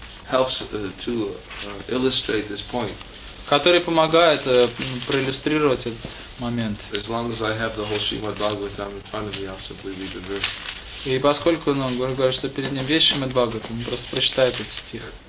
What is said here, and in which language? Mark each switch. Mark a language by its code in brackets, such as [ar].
[en] Helps to illustrate this point. [ru] Который помогает проиллюстрировать этот момент. [en] As long as I have the whole Srimad Bhagavatam in front of me, I'll simply read the verse. [ru] И поскольку он говорит, что перед ним весь Шримад Бхагаватам, он просто прочитает этот стих.